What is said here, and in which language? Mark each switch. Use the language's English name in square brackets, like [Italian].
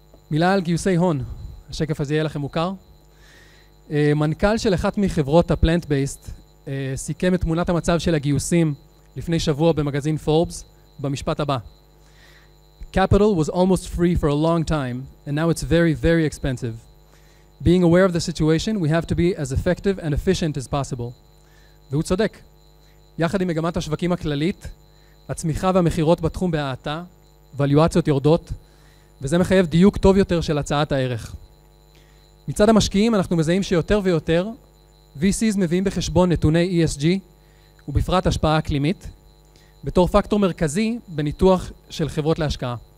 [Hebrew] מילה על גיוסי הון, השקף הזה יהיה לכם מוכר. מנכ״ל של אחת מחברות הפלנט בייסט סיכם את תמונת המצב של הגיוסים לפני שבוע במגזין פורבס במשפט הבא: [English] Capital was almost free for a long time and now it's very very expensive. Being aware of the situation, we have to be as effective and efficient as possible. [Hebrew] והוא צודק. יחד עם מגמת השווקים הכללית, הצמיחה והמחירות בתחום בהאטה, ולואציות יורדות, וזה מחייב דיוק טוב יותר של הצעת הערך. מצד המשקיעים אנחנו מזהים שיותר ויותר VCs מביאים בחשבון נתוני ESG ובפרט השפעה אקלימית בתור פקטור מרכזי בניתוח של חברות להשקעה.